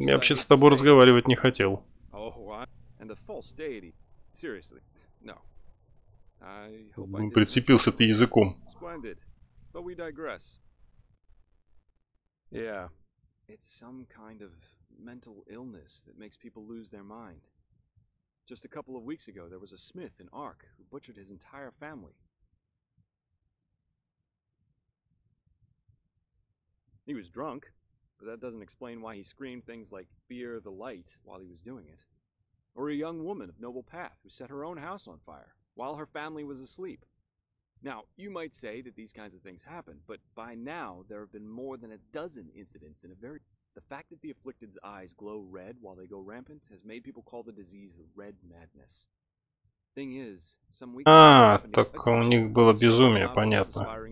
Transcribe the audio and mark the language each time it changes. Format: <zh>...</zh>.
<ru>я вообще с тобой разговаривать не хотел.</ru> <en>Oh, and the false deity. Seriously, no. I hope</en> <ru>прицепился ты языком.</ru> <en>Splendid. But we digress. Yeah. It's some kind of mental illness that makes people lose their mind. Just a couple of weeks ago, there was a smith in Ark who butchered his entire family. He was drunk, but that doesn't explain why he screamed things like "Fear the light" while he was doing it. Or a young woman of noble path who set her own house on fire while her family was asleep. Now, you might say that these kinds of things happen, but by now there have been more than a dozen incidents in a very... The fact that the afflicted's eyes glow red while they go rampant has made people call the disease the red madness. Thing is, some weeks...</en> <ru>А, так у них было безумие, понятно.</ru>